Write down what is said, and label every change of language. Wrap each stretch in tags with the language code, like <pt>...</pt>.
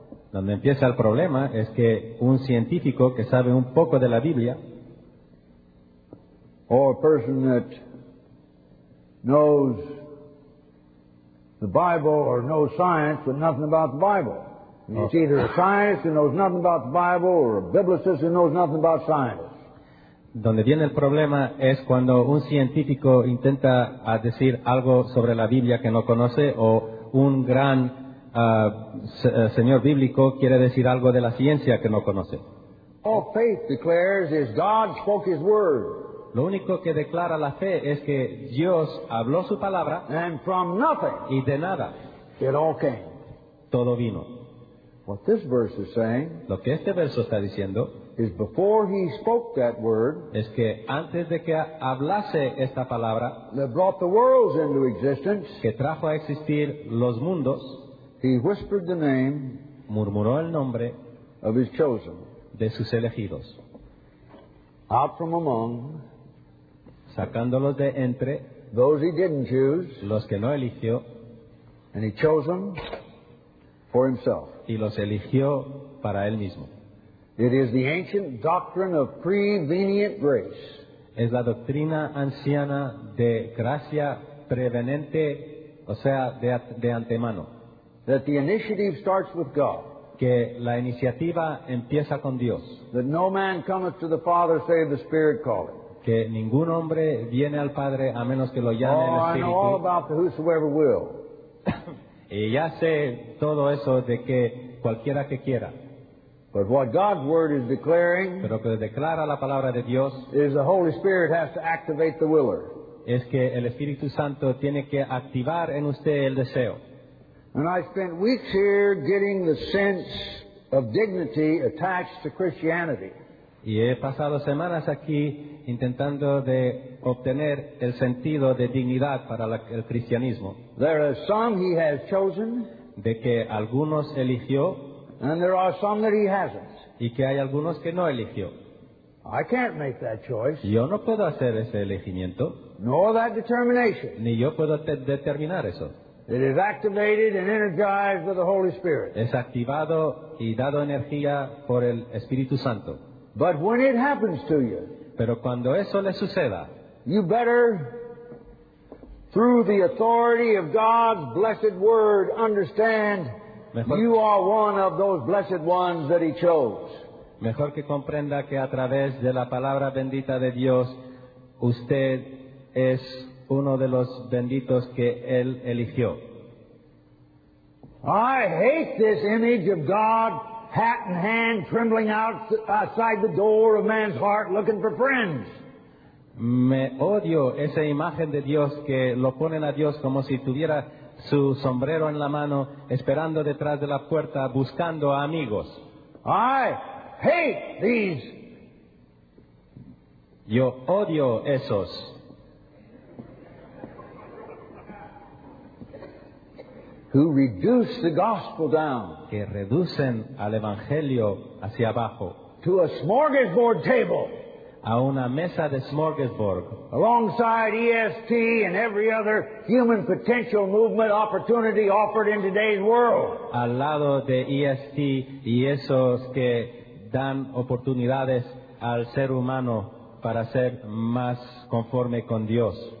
<es>Donde empieza el problema es que un científico que sabe un poco de la Biblia,</es> <en>or a person that knows the Bible or knows science but nothing about the Bible. Okay. It's either a scientist who knows nothing about the Bible or a biblicist who knows nothing about science.</en> <es>Donde viene el problema es cuando un científico intenta decir algo sobre la Biblia que no conoce, o un gran señor bíblico quiere decir algo de la ciencia que no conoce.</es> <en>All faith declares is God spoke His word.</en> <es>Lo único que declara la fe es que Dios habló su palabra.</es> <en>And from nothing,</en> <es>y de nada,</es> <en>it all came.</en> <es>Todo vino.</es> <en>What this verse is saying,</en> <es>lo que este verso está diciendo,</es> <en>is before He spoke that word,</en> <es>es que antes de que hablase esta palabra,</es> <en>that brought the worlds into existence,</en> <es>que trajo a existir los mundos,</es> <en>He whispered the name,</en> <es>murmuró el nombre,</es> <en>of His chosen,</en> <es>de sus elegidos,</es> <en>out from among,</en> <es>sacándolos de entre,</es> <en>those He didn't choose,</en> <es>los que no eligió,</es> <en>and He chose them for Himself.</en> <es>Y los eligió para él mismo.</es> <en>It is the ancient doctrine of prevenient grace.</en> <es>Es la doctrina anciana de gracia prevenente, o sea, de antemano.</es> <en>That the initiative starts with God.</en> <es>Que la iniciativa empieza con Dios.</es> <en>That no man cometh to the Father save the Spirit calleth.</en> <es>Que ningún hombre viene al Padre a menos que lo llame el Espíritu.</es> <en>Oh, I know all about the whosoever will.</en> <es>Y ya sé todo eso de que cualquiera que quiera.</es> <en>But what God's word is declaring,</en> <es>pero que declara la palabra de Dios,</es> <en>is the Holy Spirit has to activate the willer.</en> <es>Es que el Espíritu Santo tiene que activar en usted el deseo.</es> <en>And I spent weeks here getting the sense of dignity attached to Christianity.</en> <es>Y he pasado semanas aquí intentando de obtener el sentido de dignidad para el cristianismo.</es> <en>There are some He has chosen,</en> <es>de que algunos eligió,</es> <en>and there are some that He hasn't.</en> <es>Y que hay algunos que no eligió.</es> <en>I can't make that choice.</en> <es>Yo no puedo hacer ese elegimiento.</es> <en>Nor that determination.</en> <es>Ni yo puedo determinar eso.</es> <en>It is activated and energized by the Holy Spirit.</en> <es>Es activado y dado energía por el Espíritu Santo.</es> <en>But when it happens to you,</en> <es>pero cuando eso le suceda,</es> <en>you better, through the authority of God's blessed word, understand</en> <es>mejor,</es> <en>you are one of those blessed ones that He chose.</en> <es>Mejor que comprenda que a través de la palabra bendita de Dios, usted es uno de los benditos que Él eligió.</es> <en>I hate this image of God, hat in hand, trembling outside the door of man's heart, looking for friends.</en> <es>Me odio esa imagen de Dios que lo ponen a Dios como si tuviera su sombrero en la mano, esperando detrás de la puerta, buscando a amigos.</es> <en>I hate these.</en> <es>Yo odio esos.</es> <en>Who reduce the gospel down,</en> <es>que reducen al evangelio hacia abajo,</es> <en>to a smorgasbord table,</en> <es>a una mesa de smorgasbord,</es> <en>alongside EST and every other human potential movement opportunity offered in today's world,</en> <es>al lado de EST y esos que dan oportunidades al ser humano para ser más conforme con Dios.</es>